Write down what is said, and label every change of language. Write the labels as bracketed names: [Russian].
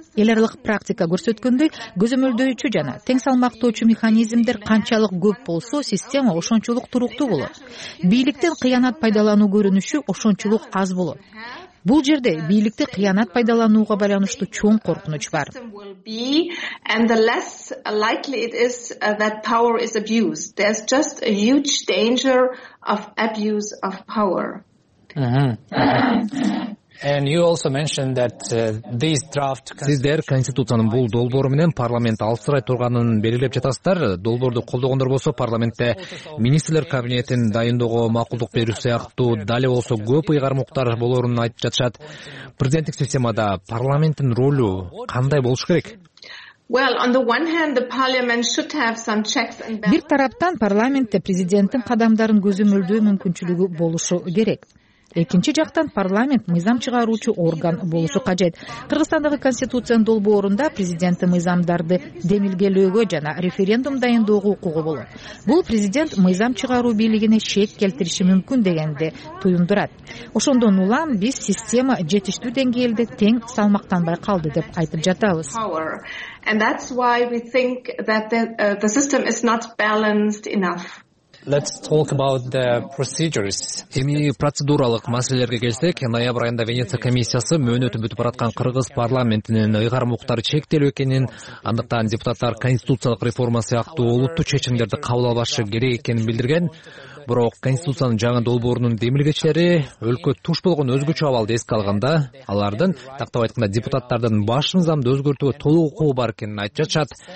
[Kyrgyz] Элерлик практика көрсөткөндөй, көзөмөлдөөчү жана тең салмактоочу механизмдер канчалык көп болсо, система ошончолук туруктуу болот. Бийликтен кыянат пайдалануу көрүнүшү ошончолук аз болот. Бул жерде бийликти кыянат пайдаланууга байланыштуу чоң коркунуч бар. [English] And the less likely it is that power is abused. There's just a huge danger of abuse of power. And you also mentioned that this draft [Kyrgyz] Сиздер конституциянын бул долбоору менен парламент алсырай турганын белгилеп жатасыздар. Долбоорду колдогондор болсо парламентте министрлер кабинетин дайындоого макулдук берүү сыяктуу дале болсо көп ыйгармуктар болорун айтып жатышат. Президенттик системада парламенттин ролу кандай болуш керек? [English] Well, on the one hand, the parliament should have some checks and balances. [Kyrgyz] Бир тараптан парламентте президенттин кадамдарын көзөмөлдөө мүмкүнчүлүгү болушу керек. Экинчи жактан парламент мыйзам чыгаруучу орган болушу кажет. Кыргызстандагы конституциянын долбоорунда президенттин мыйзамдарды демилгелөөгө жана референдум дайындоого укугу болот. Бул президент мыйзам чыгаруу бийлигине шек келтириши мүмкүн дегенди туюндурат. Ошондон улам биз система жетиштүү деңгээлде тең салмактанбай калды деп айтып жатабыз. [English] And that's why we think that the system is not balanced enough. Let's talk about the procedures. [Kyrgyz] Эми процедуралык маселелерге келсек, ноябрь айында Венеция комиссиясы мөөнөтүн бүтүп бараткан кыргыз парламентинин ыйгармуктары чектелүү экенин, андыктан депутаттар конституциялык реформа сыяктуу олуттуу чечимдерди кабыл албашы керек экенин билдирген. Бирок конституциянын жаңы долбоорунун демилгечилери өлкө туш болгон өзгөчө абалды эске алганда, алардын тактап айтканда депутаттардын баш мыйзамды өзгөртүүгө толук укугу бар экенин айтып жатышат.